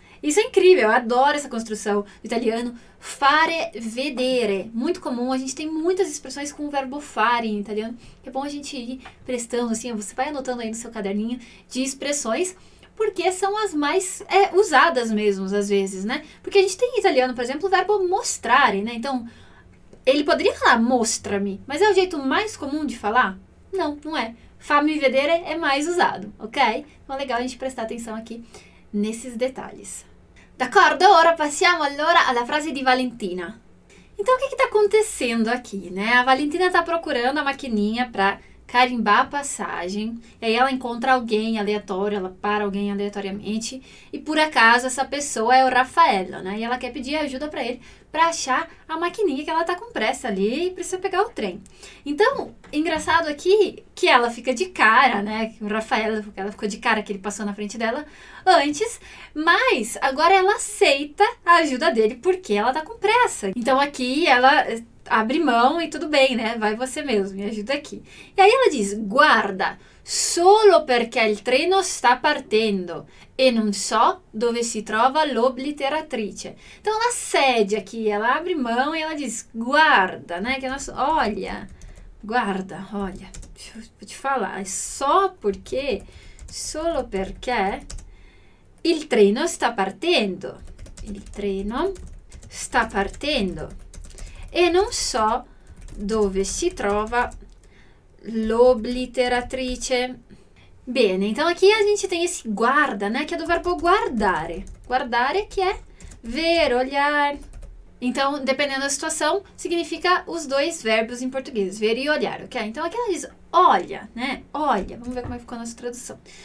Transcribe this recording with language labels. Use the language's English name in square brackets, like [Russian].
[Portuguese] Isso é incrível, eu adoro essa construção do italiano. Fare vedere, muito comum, a gente tem muitas expressões com o verbo fare em italiano, é bom a gente ir prestando, assim, você vai anotando aí no seu caderninho de expressões, porque são as mais usadas mesmo, às vezes, né? Porque a gente tem em italiano, por exemplo, o verbo mostrare, né? Então, ele poderia falar mostra-me, mas é o jeito mais comum de falar? Não, não é. Fammi vedere é mais usado, ok? Então, é legal a gente prestar atenção aqui nesses detalhes. [Italian] D'accordo? Ora passiamo allora alla frase di Valentina. [Portuguese] Então, o que está acontecendo aqui, né? A Valentina está procurando a maquininha para carimbar a passagem, e aí ela encontra alguém aleatório, ela para alguém aleatoriamente, e por acaso essa pessoa é o Raffaello, né? E ela quer pedir ajuda pra ele pra achar a maquininha que ela tá com pressa ali e precisa pegar o trem. Então, engraçado aqui que ela fica de cara, né? O Raffaello, porque ela ficou de cara que ele passou na frente dela antes, mas agora ela aceita a ajuda dele porque ela tá com pressa. Então aqui ela abre mão e tudo bem, né? Vai você mesmo, me ajuda aqui. E aí ela diz, [Italian] guarda, solo perché il treno sta partendo e non so dove si trova l'obliteratrice. [Portuguese] Então ela cede aqui, ela abre mão e ela diz, guarda, né? Que nós, olha, guarda, olha, deixa eu te falar, é só porque, [Italian] solo perché il treno sta partendo, [Portuguese] il treno sta partendo. [Italian] E non so dove si trova l'obliteratrice. [Portuguese] Bene, então aqui a gente tem esse guarda, né? Que é do verbo guardare. Guardare que é ver, olhar. Então, dependendo da situação, significa os dois verbos em português. Ver e olhar, ok? Então aqui ela diz olha, né? Olha. Vamos ver como ficou a nossa tradução.